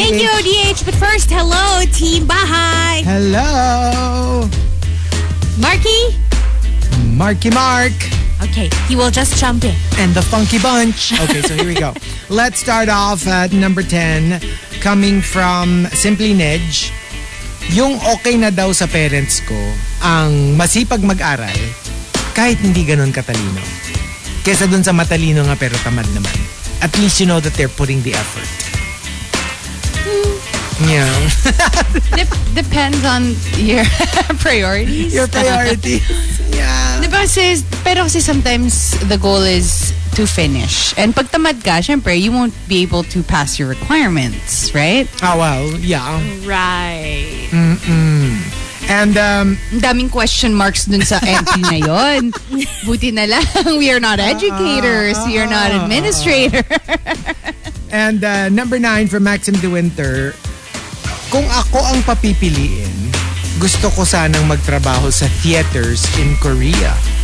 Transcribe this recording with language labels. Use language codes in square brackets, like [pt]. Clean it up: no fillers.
[en] Thank you, ODH. But first, hello, Team Bahay. Hello. Marky Mark. Okay, he will just jump in. And the funky bunch. Okay, so here we go. Let's start off at number 10, coming from Simply Nej. [tl] Yung okay na daw sa parents ko, ang masipag mag-aral, kahit hindi ganun katalino. Kesa dun sa matalino nga pero tamad naman. [en] At least you know that they're putting the effort. Yeah. Depends on your priorities. Your priorities. Yeah. [tl] Pero kasi [en] sometimes the goal is to finish. And [tl] pag tamad ka, syempre, [en] you won't be able to pass your requirements, right? Oh, well, yeah. Right. Mm-mm. And, [tl] daming question marks dun sa entry na yon. Buti na lang, [en] we are not educators. We are not administrators. And, number 9 from Maxim De Winter. [tl] Kung ako ang papipiliin, gusto ko sanang magtrabaho sa [en] theaters in Korea.